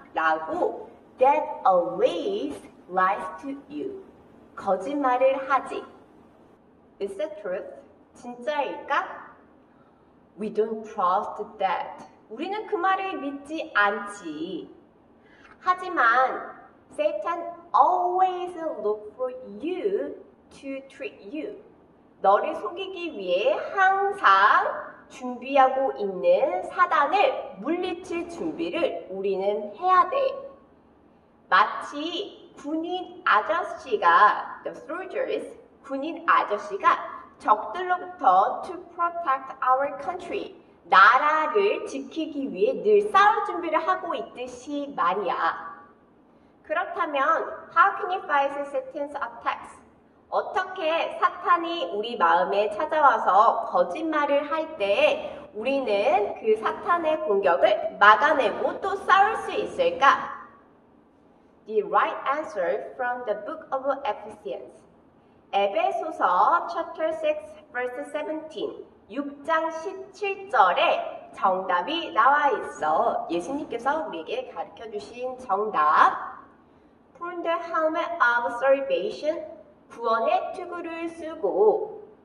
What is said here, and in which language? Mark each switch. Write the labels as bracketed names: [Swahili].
[Korean] 라고 [English] That always lies to you. [Korean] 거짓말을 하지. [English] Is that truth? [Korean] 진짜일까? [English] We don't trust that. [Korean] 우리는 그 말을 믿지 않지. 하지만 [English] Satan always look for you to trick you. [Korean] 너를 속이기 위해 항상 준비하고 있는 사단을 물리칠 준비를 우리는 해야 돼. 마치 군인 아저씨가 [English] the soldiers [Korean] 군인 아저씨가 적들로부터 [English] to protect our country [Korean] 나라를 지키기 위해 늘 싸울 준비를 하고 있듯이 말이야. 그렇다면 [English] how can you fight Satan's attacks? [Korean] 어떻게 사탄이 우리 마음에 찾아와서 거짓말을 할 때 우리는 그 사탄의 공격을 막아내고 또 싸울 수 있을까? [English] The right answer from the book of Ephesians. [Korean] 에베소서 [English] chapter 6 verse 17. [Korean] 6장 17절에 정답이 나와 있어. 예수님께서 우리에게 가르쳐 주신 정답. [English] Put on the helmet of salvation. [Korean] 구원의 투구를 쓰고.